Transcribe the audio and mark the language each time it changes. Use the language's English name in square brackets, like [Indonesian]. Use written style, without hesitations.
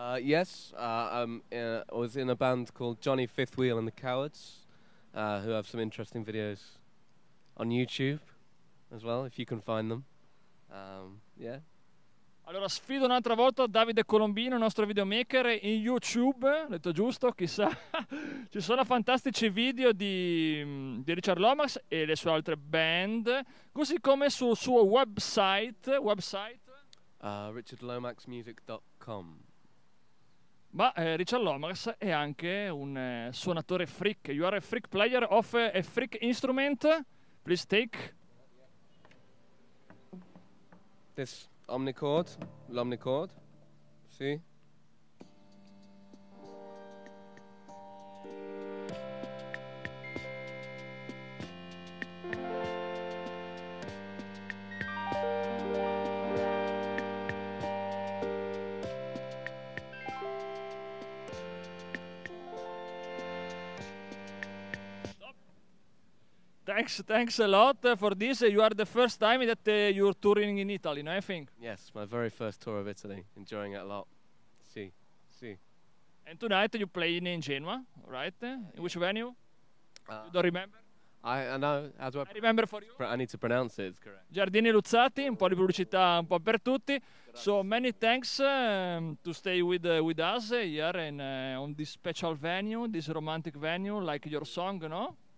[English] Yes, I was in a band called Johnny Fifth Wheel and the Cowards, who have some interesting videos on YouTube as well, if you can find them. Yeah. [Italian] Allora, sfido un'altra volta Davide Colombino, nostro videomaker, in YouTube, ho detto giusto, chissà. Ci sono fantastici video di Richard Lomax e le sue altre band, così come sul suo website. RichardLomaxMusic.com. Ma Richard Lomax è anche un suonatore freak. [English] You are a freak player of a freak instrument. Please take this Omnichord, l'Omnichord. Sì. Thanks a lot for this. You are the first time that you're touring in Italy, no, I think? Yes, my very first tour of Italy. Enjoying it a lot. [Italian] Si, si. [English] And tonight you're playing in Genoa, right? In which venue? You don't remember? I know. How do I remember for you. I need to pronounce it. It's correct. [Italian] Giardini Luzzati, un po' di pubblicità un po' per tutti. Grazie. [English] So many thanks to stay with us here in on this special venue, this romantic venue, like your song, no?